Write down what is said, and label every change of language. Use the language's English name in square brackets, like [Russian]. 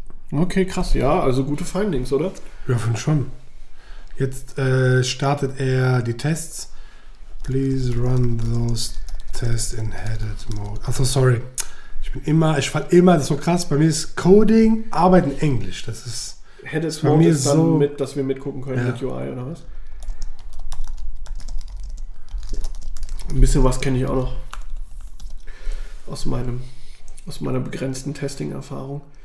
[German] Okay, krass. Ja, also gute Findings, oder? Ja, finde schon. Jetzt startet er die Tests. [English] Please run those tests in headed mode. [German] Also sorry. Ich fall immer, das ist so krass. Bei mir ist Coding, Arbeit in Englisch. Das ist. Headed mode bei mir ist dann so, mit, dass wir mitgucken können mit UI oder was? Ein bisschen was kenne ich auch noch. Aus meiner begrenzten Testing-Erfahrung.